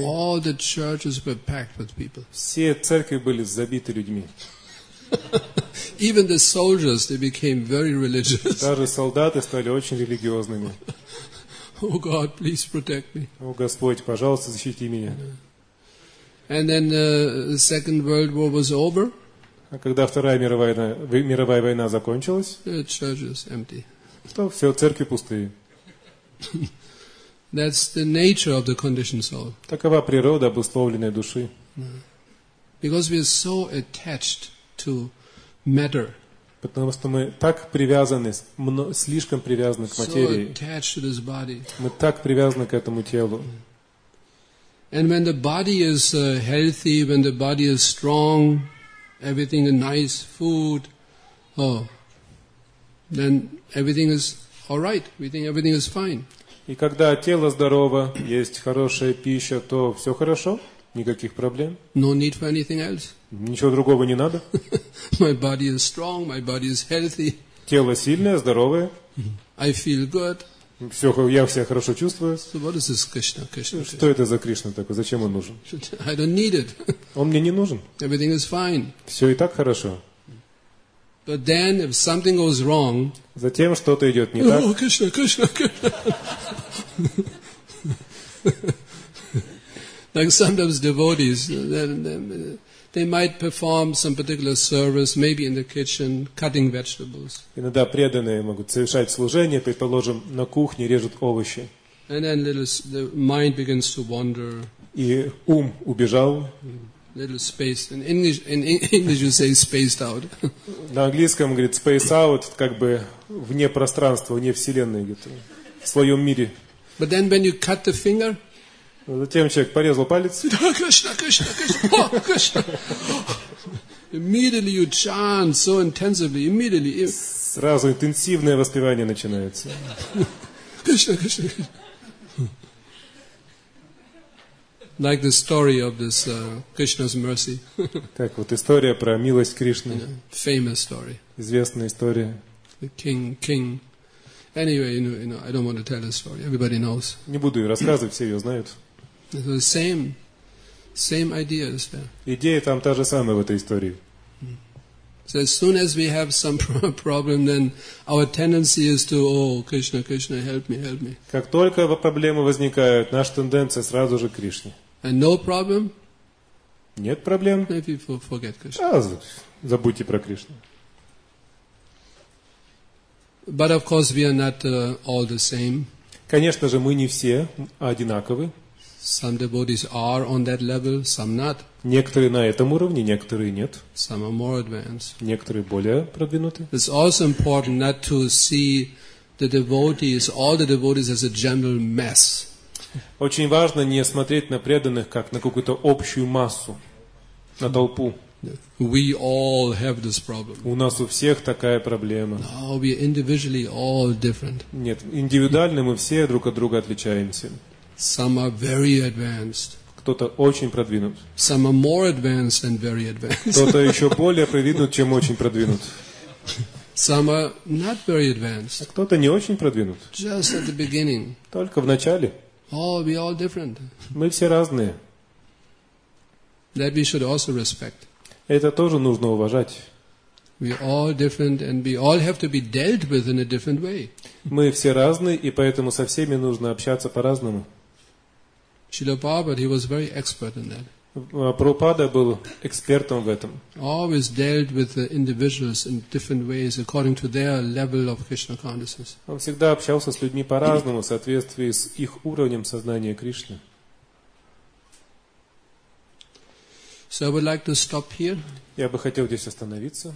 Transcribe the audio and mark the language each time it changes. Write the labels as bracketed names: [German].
[English] all the churches were packed with people. [Russian] Все церкви были забиты людьми. [English] Even the soldiers, they became very religious. [Russian] Даже солдаты стали очень религиозными. [English] Oh God, please protect me. [Russian] О Господь, пожалуйста, защити меня. [English] And then the Second World War was over. [Russian] А когда Вторая мировая война закончилась, [English] churches empty. [Russian] То все церкви пустые. [English] That's the nature of the conditioned soul. [Russian] Такова природа обусловленной души. [English] Because we are so attached to matter. [Russian] Потому что мы так привязаны, слишком привязаны к материи. [English] So attached to this body. [Russian] Мы так привязаны к этому телу. [English] And when the body is healthy, when the body is strong, everything is nice food, then everything is all right. We think everything is fine. [Russian] И когда тело здорово, есть хорошая пища, то все хорошо, никаких проблем. [English] No need for anything else. [Russian] Ничего другого не надо. [English] My body is strong, my body is healthy. [Russian] Тело сильное, здоровое. [English] I feel good. [Russian] Все, я себя хорошо чувствую. [English] So what is this Krishna? [Russian] Что это за Кришна такой? Зачем он нужен? [English] I don't need it. [Russian] Он мне не нужен. [English] Everything is fine. [Russian] Все и так хорошо. [English] But then, if something goes wrong, [Russian] затем что-то идет не так. Кришна, Кришна, Кришна. [English] Like sometimes devotees, they might perform some particular service, maybe in the kitchen, cutting vegetables. [Russian] Иногда преданные могут совершать служение, предположим, на кухне режут овощи. [English] And then the mind begins to wander. [Russian] И ум убежал. [English] Little space. In English you say spaced out. [Russian] На английском говорит [English] space out, [Russian] как бы вне пространства, вне вселенной где-то, в своем мире. [English] But then when you cut the finger. [Russian] Затем человек порезал палец. Да, Кришна, Кришна, Кришна, о, Кришна. [English] Immediately you chant so intensively, immediately. [Russian] Сразу интенсивное воспевание начинается. Кришна, Кришна. [English] Like the story of this Krishna's mercy. [Russian] Так вот история про милость Кришны. [English] Famous story. [Russian] Известная история. [English] The king. Anyway, you know, I don't want to tell the story. Everybody knows. [Russian] Не буду ее рассказывать, все ее знают. [English] It's the same idea is there. [Russian] Идея там та же самая в этой истории. [English] So as soon as we have some problem, then our tendency is to, oh, Krishna, Krishna, help me, help me. [Russian] Как только проблемы возникают, наша тенденция сразу же к Кришне. [English] And no problem? [Russian] Нет проблем. [English] Then people forget Krishna. [Russian] А, забудьте про Кришну. [English] But of course we are not all the same. [Russian] Конечно же, мы не все одинаковы. [English] Some devotees are on that level, some not. [Russian] Некоторые на этом уровне, некоторые нет. [English] Some are more advanced. [Russian] Некоторые более продвинуты. [English] It's also important not to see the devotees, all the devotees as a general mass. [Russian] Очень важно не смотреть на преданных как на какую-то общую массу, на толпу. [English] We all have this problem. [Russian] У нас у всех такая проблема. [English] No, we are individually all different. [Russian] Нет, индивидуально мы все друг от друга отличаемся. [English] Some are very advanced. [Russian] Кто-то очень продвинут. [English] Some are more advanced than very advanced. [Russian] Кто-то еще более продвинут, чем очень продвинут. [English] Some are not very advanced. [Russian] А кто-то не очень продвинут. [English] Just at the beginning. [Russian] Только в начале. [English] Oh, we all different. [Russian] Мы все разные. [English] That we should also respect. [Russian] Это тоже нужно уважать. [English] We all different, and we all have to be dealt with in a different way. [Russian] Мы все разные, и поэтому со всеми нужно общаться по-разному. [English] Srila Prabhupada, he was very expert in that. [Russian] Прабхупада был экспертом в этом. [English] Always dealt with the individuals in different ways according to their level of Krishna consciousness. [Russian] Он всегда общался с людьми по-разному в соответствии с их уровнем сознания Кришны. [English] So I would like to stop here. [Russian] Я бы хотел здесь остановиться.